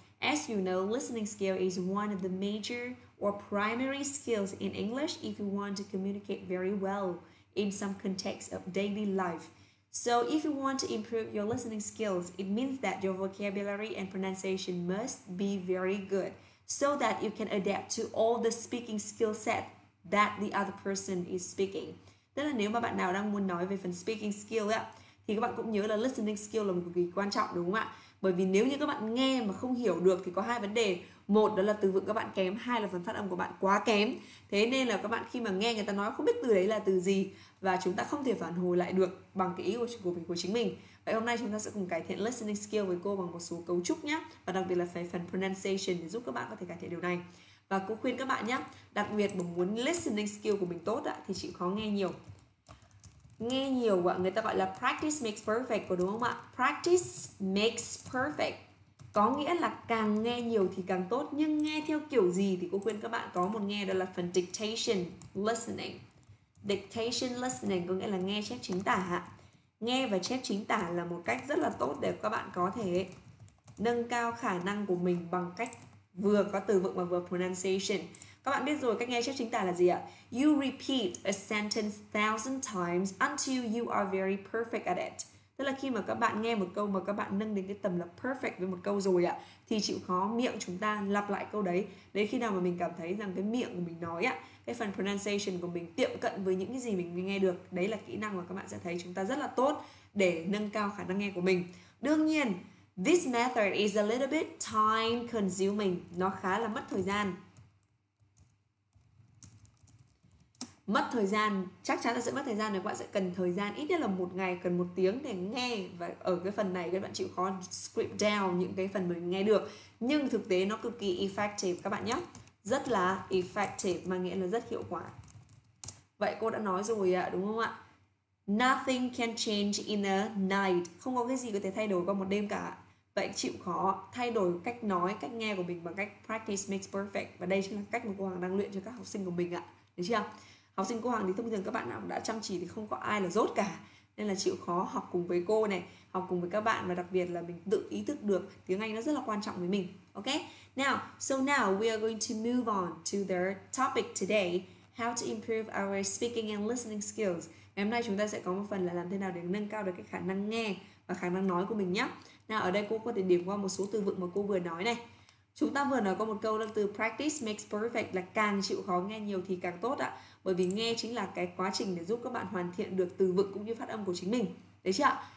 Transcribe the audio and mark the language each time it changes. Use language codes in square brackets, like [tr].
[en] As you know, listening skill is one of the major or primary skills in English if you want to communicate very well in some context of daily life. So if you want to improve your listening skills, it means that your vocabulary and pronunciation must be very good so that you can adapt to all the speaking skill set that the other person is speaking. [vi] Tức là nếu mà bạn nào đang muốn nói về phần speaking skill á, thì các bạn cũng nhớ là listening skill là một cực kỳ quan trọng đúng không ạ? Bởi vì nếu như các bạn nghe mà không hiểu được thì có hai vấn đề. Một đó là từ vựng các bạn kém, hai là phần phát âm của bạn quá kém. Thế nên là các bạn khi mà nghe người ta nói không biết từ đấy là từ gì và chúng ta không thể phản hồi lại được bằng cái ý của chính mình. Vậy hôm nay chúng ta sẽ cùng cải thiện listening skill với cô bằng một số cấu trúc nhé. Và đặc biệt là phần pronunciation để giúp các bạn có thể cải thiện điều này. Và cô khuyên các bạn nhé, đặc biệt mà muốn listening skill của mình tốt thì chịu khó nghe nhiều. Nghe nhiều ạ, người ta gọi là [en] practice makes perfect, [vi] có đúng không ạ? [en] Practice makes perfect. [vi] Có nghĩa là càng nghe nhiều thì càng tốt. Nhưng nghe theo kiểu gì thì cô khuyên các bạn có một nghe đó là phần dictation listening. Dictation listening có nghĩa là nghe chép chính tả. Nghe và chép chính tả là một cách rất là tốt để các bạn có thể nâng cao khả năng của mình bằng cách vừa có từ vựng và vừa pronunciation. Các bạn biết rồi cách nghe chép chính tả là gì ạ? [en] You repeat a sentence 1000 times until you are very perfect at it. [vi] Tức là khi mà các bạn nghe một câu mà các bạn nâng đến cái tầm là perfect với một câu rồi ạ, thì chịu khó miệng chúng ta lặp lại câu đấy. Đến khi nào mà mình cảm thấy rằng cái miệng của mình nói ạ, cái phần pronunciation của mình tiệm cận với những cái gì mình nghe được, đấy là kỹ năng mà các bạn sẽ thấy chúng ta rất là tốt để nâng cao khả năng nghe của mình. Đương nhiên, [en] this method is a little bit time consuming. [vi] Nó khá là mất thời gian. Mất thời gian, chắc chắn là sẽ mất thời gian. Các bạn sẽ cần thời gian ít nhất là một ngày, cần một tiếng để nghe. Và ở cái phần này các bạn chịu khó script down những cái phần mình nghe được. Nhưng thực tế nó cực kỳ effective các bạn nhé. Rất là effective, mà nghĩa là rất hiệu quả. Vậy cô đã nói rồi ạ, đúng không ạ? [en] Nothing can change in a night. [vi] Không có cái gì có thể thay đổi qua một đêm cả. Vậy chịu khó thay đổi cách nói, cách nghe của mình bằng cách [en] practice makes perfect. [vi] Và đây chính là cách mà cô Hoàng đang luyện cho các học sinh của mình ạ. Được chưa? Học sinh cô Hoàng thì thông thường các bạn nào đã chăm chỉ thì không có ai là dốt cả. nên là chịu khó học cùng với cô này, học cùng với các bạn, và đặc biệt là mình tự ý thức được tiếng Anh nó rất là quan trọng với mình. [en] Ok, now, so now we are going to move on to the topic today, how to improve our speaking and listening skills. [vi] Ngày hôm nay chúng ta sẽ có một phần là làm thế nào để nâng cao được cái khả năng nghe và khả năng nói của mình nhé. Nào, ở đây cô có thể điểm qua một số từ vựng mà cô vừa nói này. Chúng ta vừa nói có một câu là từ [en] practice makes perfect, [vi] là càng chịu khó nghe nhiều thì càng tốt ạ. Bởi vì nghe chính là cái quá trình để giúp các bạn hoàn thiện được từ vựng cũng như phát âm của chính mình. Đấy chứ ạ?